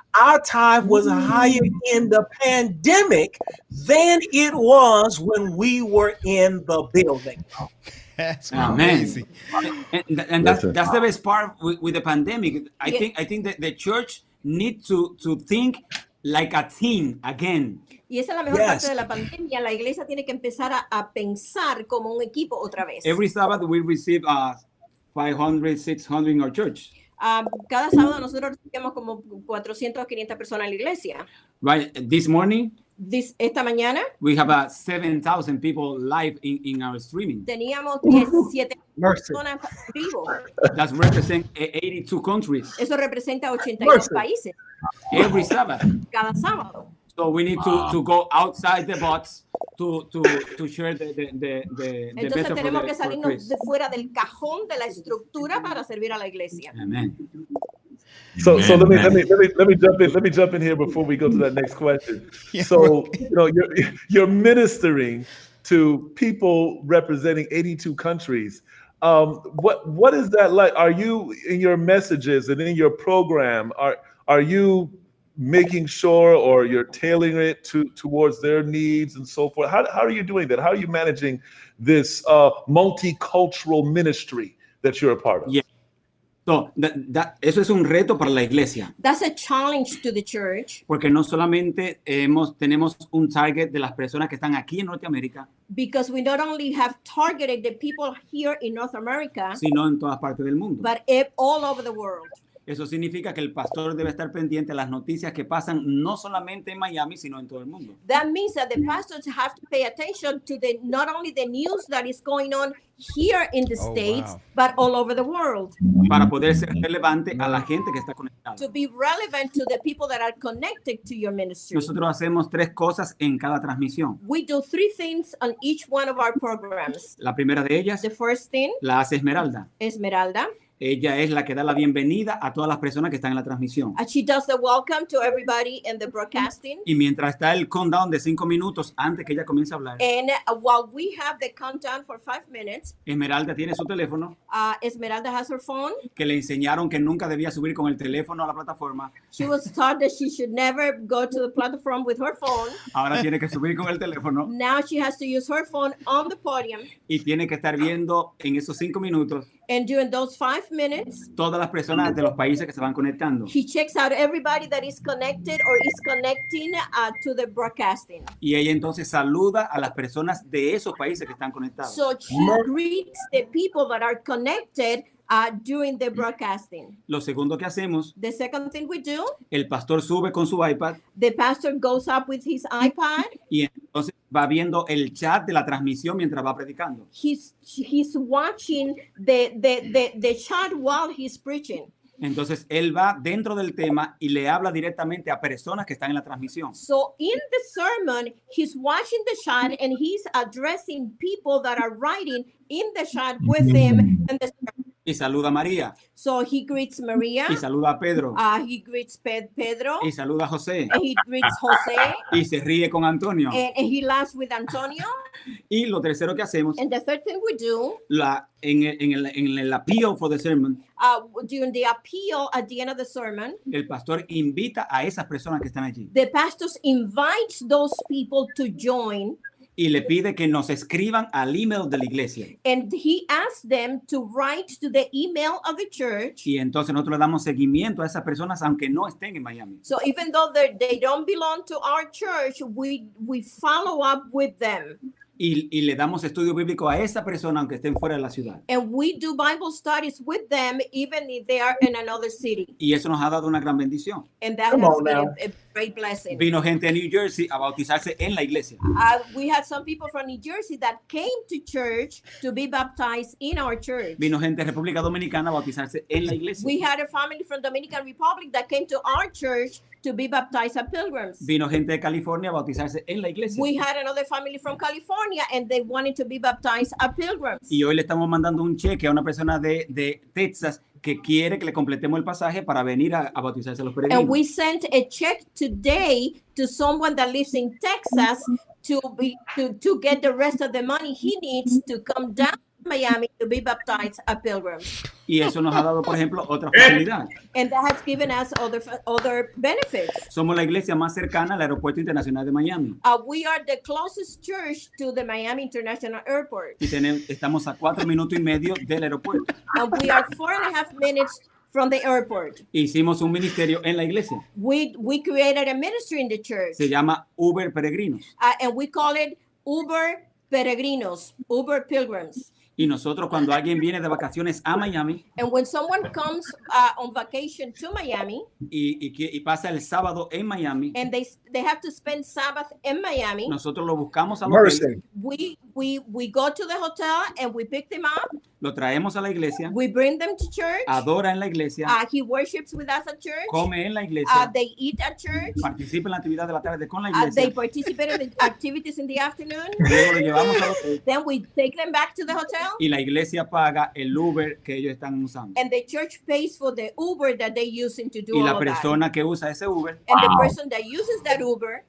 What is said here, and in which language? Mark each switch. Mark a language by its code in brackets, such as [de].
[en] Our tithe was higher in the pandemic than it was when we were in the building. That's amazing. And that's the best part with the pandemic. I think that the church need to think like a team again. [es] Y esa es la mejor parte de la pandemia. La iglesia tiene que empezar a pensar como un equipo otra vez. [en] Every Sabbath we receive a 500, 600 in our church. [es] Cada sábado nosotros recibimos como 400, 500 personas en la iglesia. [en] Right, this morning. [es] Esta mañana. [en] We have 7,000 people live in our streaming. [es] Teníamos 7,000 personas vivos. [en] That represents 82 countries. [es] Eso representa 82 países. [en] Every Sabbath. [es] Cada sábado. [en] So we need to go outside the box to share the [es] entonces tenemos que salirnos de fuera del cajón de la estructura para servir a la iglesia. [en] Amen. So amen. Let me jump in here before we go to that next question. So you know you're ministering to people representing 82 countries. What is that like? Are you in your messages and in your program? Are you making sure or you're tailoring it towards their needs and so forth? How are you doing that? How are you managing this multicultural ministry that you're a part of? Yeah. So that [es] eso es un reto para la iglesia. [en] That's a challenge to the church. [es] Porque no solamente tenemos un target de las personas que están aquí en Norteamérica. [en] Because we not only have targeted the people here in North America, [es] sino en todas partes del mundo. [en] But all over the world. [es] Eso significa que el pastor debe estar pendiente a las noticias que pasan no solamente en Miami sino en todo el mundo. [en] That means that the pastors have to pay attention to the not only the news that is going on here in the states, but all over the world. [es] Para poder ser relevante a la gente que está conectada. [en] To be relevant to the people that are connected to your ministry. [es] Nosotros hacemos tres cosas en cada transmisión. [en] We do three things on each one of our programs. [es] La primera de ellas. [en] The first thing. [es] La hace Esmeralda. [en] Esmeralda. [es] Ella es la que da la bienvenida a todas las personas que están en la transmisión. [en] And she does the welcome to everybody in the broadcasting. [es] Y mientras está el countdown de 5 minutos antes que ella comience a hablar. [en] And while we have the countdown for 5 minutes. [es] Esmeralda tiene su teléfono. [en] Esmeralda has her phone. [es] Que le enseñaron que nunca debía subir con el teléfono a la plataforma. [en] She was taught that she should never go to the platform with her phone. [es] Ahora tiene que subir con el teléfono. [en] Now she has to use her phone on the podium. [es] Y tiene que estar viendo en esos 5 minutos. [en] And during those 5 minutes, [es] todas las personas de los países que se van conectando. [en] He checks out everybody that is connected or is connecting to the broadcasting. [es] Y ella entonces saluda a las personas de esos países que están conectados. [en] So she greets the people that are connected during the broadcasting. [es] Lo segundo que hacemos. [en] The second thing we do. [es] El pastor sube con su iPad. [en] The pastor goes up with his iPad. [es] Y entonces va viendo el chat de la transmisión mientras va predicando. [en] He's watching the chat while he's preaching. [es] Entonces él va dentro del tema y le habla directamente a personas que están en la transmisión. [en] So in the sermon, he's watching the chat and he's addressing people that are writing in the chat with him in the sermon. [es] Y saluda a María. [en] So he greets Maria. [es] Y saluda a Pedro. [en] He greets Pedro. [es] Y saluda a José. [en] He greets José. [es] Y se ríe con Antonio. [en] And he laughs with Antonio. [es] Y lo tercero que hacemos. [en] And the third thing we do. [es] En el [en] appeal for the sermon. During the appeal at the end of the sermon. [es] El pastor invita a esas personas que están allí. [en] The pastor invites those people to join. [es] Y le pide que nos escriban al email de la iglesia. [en] And he asked them to write to the email of the church. [es] Y entonces nosotros le damos seguimiento a esas personas aunque no estén en Miami. [en] So even though they don't belong to our church, we follow up with them. [es] y le damos estudio bíblico a esa persona aunque estén fuera de la ciudad. [en] And we do Bible studies with them even if they are in another city. [es] Y eso nos ha dado una gran bendición. [en] And that Come has been a great blessing. [es] Vino gente de New Jersey a bautizarse en la iglesia. [en] We had some people from New Jersey that came to church to be baptized in our church. [es] Vino gente de República Dominicana a bautizarse en la iglesia. [en] We had a family from Dominican Republic that came to our church to be baptized as pilgrims. [es] Vino gente de California a bautizarse en la iglesia. [en] We had another family from California and they wanted to be baptized as pilgrims. [es] Y hoy le estamos mandando un cheque a una persona de Texas que quiere que le completemos el pasaje para venir a bautizarse a los peregrinos. [en] And we sent a check today to someone that lives in Texas to get the rest of the money he needs to come down Miami to be baptized a pilgrim. [es] Y eso nos ha dado, por ejemplo, otra facilidad. [en] And that has given us other benefits. [es] Somos la iglesia más cercana al aeropuerto internacional de Miami. [en] We are the closest church to the Miami International Airport. [es] Y estamos a 4 minutos y medio del aeropuerto. [en] And we are 4.5 minutes from the airport. [es] Hicimos un ministerio en la iglesia. [en] We created a ministry in the church. [es] Se llama Uber Peregrinos. [en] And we call it Uber Peregrinos, Uber Pilgrims. [es] Y nosotros cuando alguien viene de vacaciones a Miami, [en] and when someone comes on vacation to Miami, [es] y pasa el sábado en Miami, [en] and they have to spend Sabbath in Miami, [es] nosotros lo buscamos a Mercy. Hotel. [en] We go to the hotel and we pick them up. [es] Lo traemos a la iglesia. [en] We bring them to church. [es] Adora en la iglesia. [en] He worships with us at church. [es] Come en la iglesia. [en] They eat at church. [es] Participa en la actividad de la tarde con la iglesia. [en] They participate in the activities in the afternoon. [es] Luego lo llevamos al hotel. [en] Then we take them back to the hotel. [es] Y la iglesia paga el Uber que ellos están usando. [en] And the church pays for the Uber that they using to do all that. [es] Y la persona que usa ese Uber. [en] And wow. The person that uses that Uber.